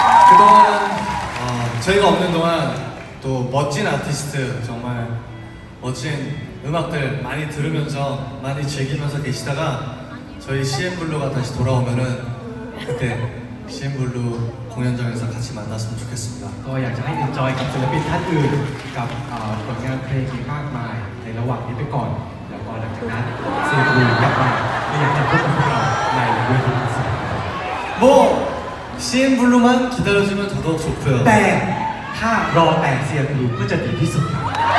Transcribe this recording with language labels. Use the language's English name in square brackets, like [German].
[Korean] 그동안저희가없는동안또멋진아티스트정말멋진음악들많이들으면서많이즐기면서계시다가저희 CM 블루가다시돌아오면은그때 CM 블루공연장에서같이만났으면좋겠습니다 [Thai] 또อยากจะให้ enjoy กับศิลปินท่านอื่นกับผลงานเพลงมากมายในระหว่างนี้ไปก่อนแล้วก็หลังจากนั้น CM บลูกลับมาไม่อยากจะพบกับพวกเราในเวทีคอนเสิร์ต [Korean] 뭐 CM 블루만기다려주면더더욱좋고요 [Thai] แต่ถ้ารอแต่ CM บลูก็จะดีที่สุดครับ